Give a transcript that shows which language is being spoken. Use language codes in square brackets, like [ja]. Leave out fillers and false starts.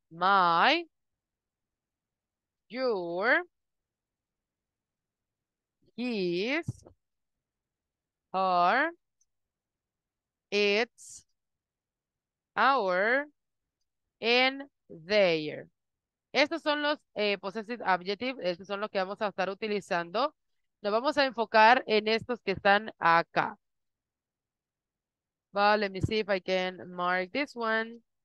[en] My, your, his, her, its, our, and their. [es] Estos son los possessive adjectives, estos son los que vamos a estar utilizando. Nos vamos a enfocar en estos que están acá. [en] But let me see if I can mark this one.